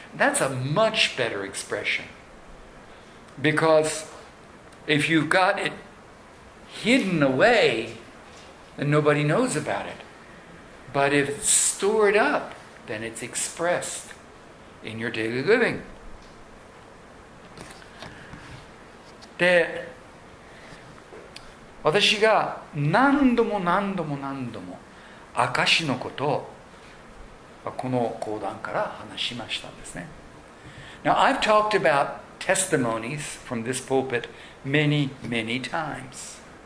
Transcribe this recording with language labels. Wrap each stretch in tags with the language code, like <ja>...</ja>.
<en>That's a much better expression. Because if you've got it hidden away, then nobody knows about it. But if it's stored up, then it's expressed in your daily living.</en> <ja>で、私が何度も何度も何度も証しのことをこの講談から話しましたんですね。</ja> <en>Now, I've talked about testimonies from this pulpit many, many times.</en>